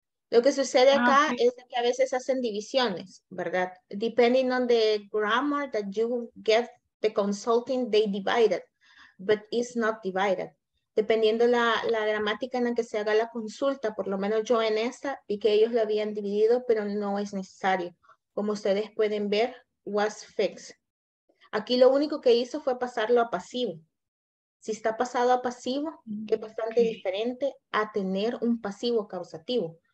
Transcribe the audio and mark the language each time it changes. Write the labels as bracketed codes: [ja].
[es] Lo que sucede acá es que a veces hacen divisiones, ¿verdad? [en] Depending on the grammar that you get the consulting, they divide it, but it's not divided. [es] Dependiendo la gramática en la que se haga la consulta, por lo menos yo en esta vi que ellos lo habían dividido, pero no es necesario. Como ustedes pueden ver, [en] was fixed. [es] Aquí lo único que hizo fue pasarlo a pasivo. Si está pasado a pasivo, es bastante diferente a tener un pasivo causativo.